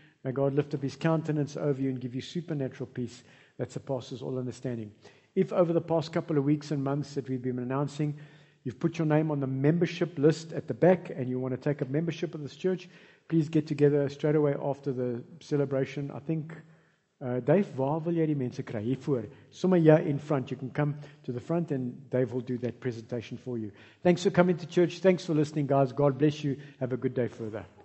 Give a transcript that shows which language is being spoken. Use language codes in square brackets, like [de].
[en] May God lift up his countenance over you and give you supernatural peace that surpasses all understanding. If over the past couple of weeks and months that we've been announcing, you've put your name on the membership list at the back and you want to take up membership of this church, please get together straight away after the celebration. I think, [af] Dave, waar wil jy die mense kry? Hiervoor. Sommige hier [en] in front. You can come to the front and Dave will do that presentation for you. Thanks for coming to church. Thanks for listening, guys. God bless you. Have a good day further.